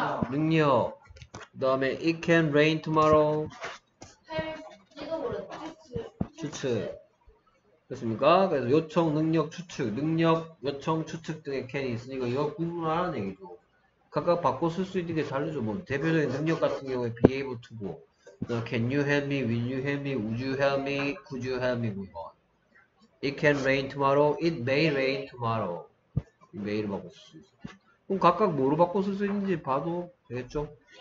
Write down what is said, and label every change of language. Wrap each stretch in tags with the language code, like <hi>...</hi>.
<ko>능력. 그 다음에</ko> <en>it can rain tomorrow.</en> <ko>할 수도 모른다. 추측. 됐습니까? 그래서 요청, 능력, 추측. 능력, 요청, 추측 등의 캔이 있으니까 이거 궁금하라는 얘기죠. 각각 바꿔 쓸 수 있는 게 다르죠. 뭐 대표적인 능력 같은 경우에</ko> <en>be able to 뭐 can you help me, will you help me, would you help me, could you help me 뭐 it can rain tomorrow, it may rain tomorrow.</en> <ko>매일 바꿔 쓸 수 있어요. 그럼 각각 뭐로 바꿔 쓸 수 있는지 봐도 되겠죠?</ko>